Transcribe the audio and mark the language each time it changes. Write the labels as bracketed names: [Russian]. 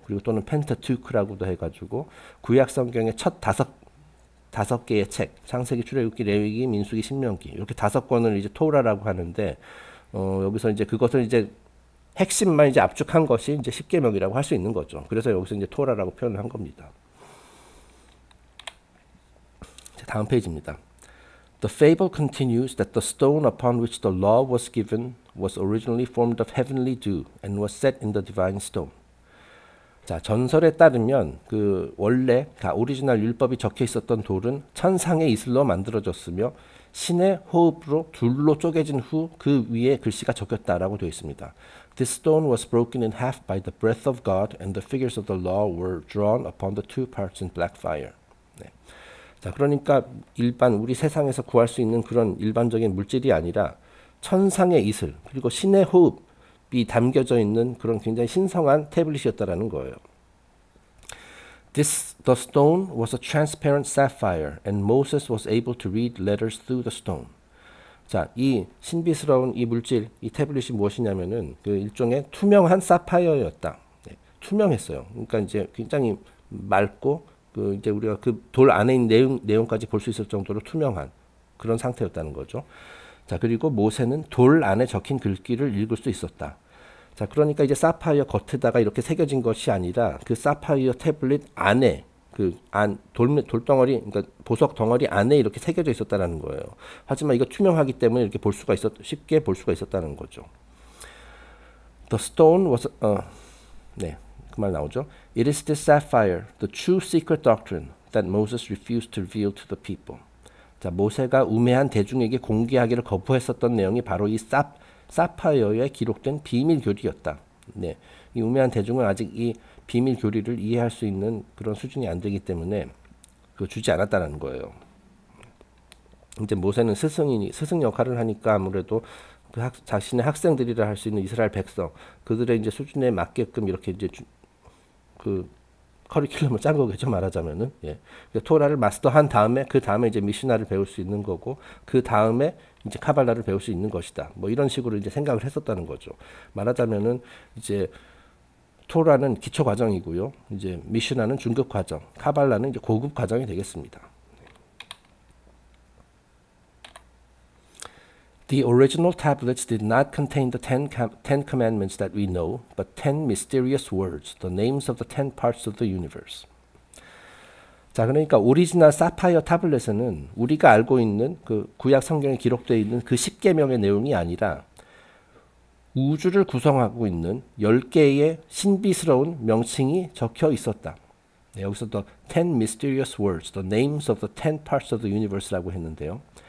[Korean] 그리고 또는 펜타투크라고도 해가지고 구약 성경의 첫 다섯 개의 책, 창세기, 출애굽기, 레위기, 민수기, 신명기 이렇게 다섯 권을 이제 토라라고 하는데 여기서 이제 그것을 이제 핵심만 이제 압축한 것이 이제 십계명이라고 할수 있는 거죠. 그래서 여기서 이제 토라라고 표현을 한 겁니다. 자, 다음 페이지입니다. [English] The fable continues that the stone upon which the law was given was originally formed of heavenly dew and was set in the divine stone. [Korean] 자, 전설에 따르면 그 원래 그 오리지널 율법이 적혀 있었던 돌은 천상의 이슬로 만들어졌으며 신의 호흡으로 둘로 쪼개진 후그 위에 글씨가 적혔다라고 되어 있습니다. [English] This stone was broken in half by the breath of God and the figures of the law were drawn upon the two parts in black fire. [Korean] 네. 자, 그러니까 일반 우리 세상에서 구할 수 있는 그런 일반적인 물질이 아니라 천상의 이슬, 그리고 신의 호흡이 담겨져 있는 그런 굉장히 신성한 태블릿이었다라는 거예요. [English] The stone was a transparent sapphire, and Moses was able to read letters through the stone. [Korean] 자, 이 신비스러운 이 물질, 이 태블릿이 무엇이냐면은 그 일종의 투명한 사파이어였다. 네, 투명했어요. 그러니까 이제 굉장히 맑고 그 이제 우리가 그돌 안에 있는 내용까지 볼수 있을 정도로 투명한 그런 상태였다는 거죠. 자, 그리고 모세는 돌 안에 적힌 글귀를 읽을 수 있었다. 자, 그러니까 이제 사파이어 겉에다가 이렇게 새겨진 것이 아니라 그 사파이어 태블릿 안에 그안 돌덩어리 그러니까 보석 덩어리 안에 이렇게 새겨져 있었다라는 거예요. 하지만 이거 투명하기 때문에 이렇게 볼 수가 쉽게 볼 수가 있었다는 거죠. [English] The stone was [Korean] 네. 그말 나오죠. [English] It is this sapphire, the true secret doctrine that Moses refused to reveal to the people. [Korean] 자, 모세가 우매한 대중에게 공개하기를 거부했었던 내용이 바로 이 사파이어에 기록된 비밀 교리였다. 네. 이 우매한 대중은 아직 이 비밀 교리를 이해할 수 있는 그런 수준이 안 되기 때문에 그거 주지 않았다는 거예요. 이제 모세는 스승 역할을 하니까 아무래도 그 자신의 학생들이라 할수 있는 이스라엘 백성, 그들의 이제 수준에 맞게끔 이렇게 이제 그 커리큘럼을 짠 거겠죠, 말하자면은. 예. 토라를 마스터한 다음에 그 다음에 이제 미시나를 배울 수 있는 거고 그 다음에 이제 카발라를 배울 수 있는 것이다. 뭐 이런 식으로 이제 생각을 했었다는 거죠. 말하자면은 이제 토라는 기초 과정이고요. 이제 미시나는 중급 과정, 카발라는 이제 고급 과정이 되겠습니다. [English] The original tablets did not contain the ten commandments that we know, but ten mysterious words, the names of the ten parts of the universe. [Korean] 자, 그러니까 오리지널 사파이어 타블렛에는 우리가 알고 있는 그 구약 성경에 기록되어 있는 그 십계명의 내용이 아니라 우주를 구성하고 있는 10개의 신비스러운 명칭이 적혀 있었다. 네, 여기서 [English] the ten mysterious words, the names of the ten parts of the universe [Korean] 라고 했는데요.